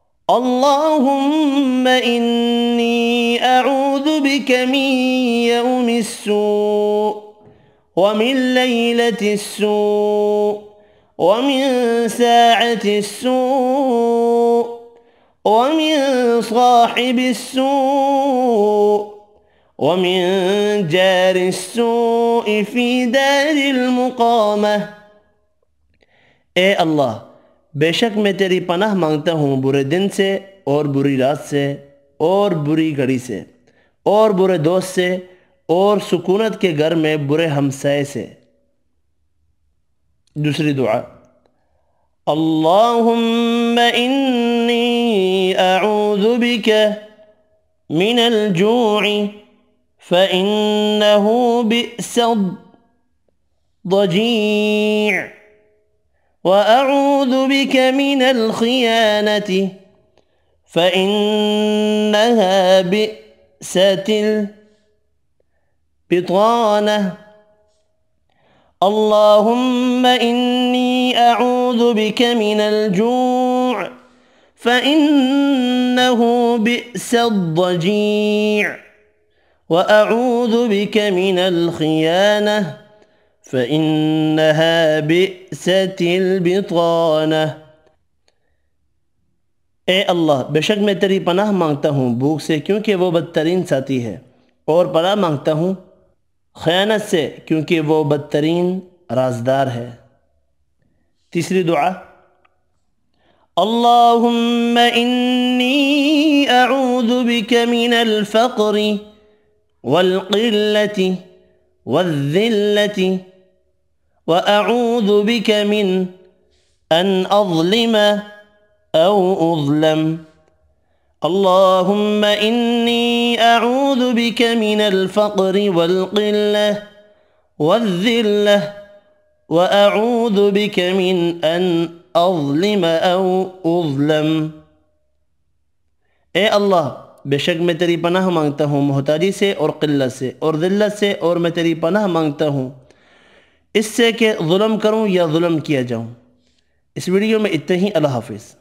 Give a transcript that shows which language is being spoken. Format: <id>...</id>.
<ar>اللهم إني أعوذ بك من يوم السوء ومن ليلة السوء ومن ساعة السوء ومن صاحب السوء ومن جار السوء في دار المقامة.</ar> <ur>اے اللہ، بے شک میں تیری پناہ مانگتا ہوں برے دن سے اور بری رات سے اور بری گھڑی سے اور برے دوست سے اور سکونت کے گھر میں برے ہمسائے سے. دوسری دعا،</ur> <ar>اللہم انی اعوذ بک من الجوع فإنه بئس الضجیع وأعوذ بك من الخيانة فإنها بئس البطانة. اللهم إني أعوذ بك من الجوع فإنه بئس الضجيع وأعوذ بك من الخيانة فإنها بئس البطانة.</ar> <ur>اے اللہ، بے شک میں تیری پناہ مانگتا ہوں بھوک سے، کیونکہ وہ بدترین ساتھی ہے، اور پناہ مانگتا ہوں خیانت سے، کیونکہ وہ بدترین رازدار ہے. تیسری دعا،</ur> <ar>اللہم انی اعوذ بک من الفقر والقلة والذلة وأعوذ بك من أن أظلم أو أظلم. اللهم إني أعوذ بك من الفقر والقلة والذلة وأعوذ بك من أن أظلم أو أظلم.</ar> <ur>اے اللہ، بے شک میں تیری پناہ مانگتا ہوں محتاجی سے اور قلت سے اور ذلت سے، اور میں تیری پناہ مانگتا ہوں اس سے کہ ظلم کروں یا ظلم کیا جاؤں. اس ویڈیو میں اتنے ہی. اللہ حافظ.</ur>